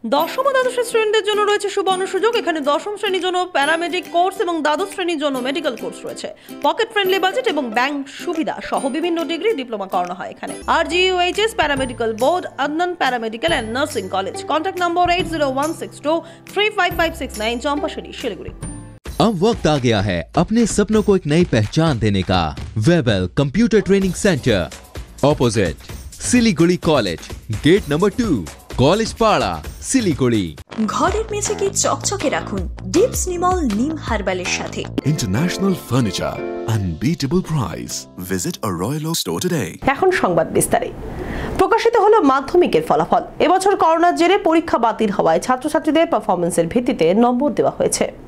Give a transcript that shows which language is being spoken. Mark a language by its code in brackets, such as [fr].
[bn] দশম ও দ্বাদশ শ্রেণীদের জন্য রয়েছে সুবর্ণ সুযোগ। এখানে দশম শ্রেণীর জন্য প্যারামেডিক কোর্স এবং দ্বাদশ শ্রেণীর জন্য মেডিকেল কোর্স রয়েছে। পকেট ফ্রেন্ডলি বাজেট এবং ব্যাংক সুবিধা সহ বিভিন্ন ডিগ্রি ডিপ্লোমা করানো হয় এখানে। RGUHS paramedical board, Adnan paramedical and nursing college. Contact number 8016235569। চম্পাশরী, Siliguri. [hi] अब वक्त आ गया है अपने सपनों को एक नई पहचान देने का। वेबल computer training centre, opposite Siliguri college, gate number 2, college पाड़ा, सिलीगुड़ी। [bn] ঘরের মেঝেকে চকচকে রাখুন ডিপস নিমল নিম হারবালের সাথে। [en] International furniture, unbeatable price. Visit a Royal Oak store today. [bn] এখন সংবাদ বিস্তারে। প্রকাশিত হলো মাধ্যমিকের ফলাফল। এবছর করোনার জেরে পরীক্ষা বাতিল হওয়ায় ছাত্রছাত্রীদের পারফরমেন্সের ভিত্তিতে নম্বর দেওয়া হয়েছে।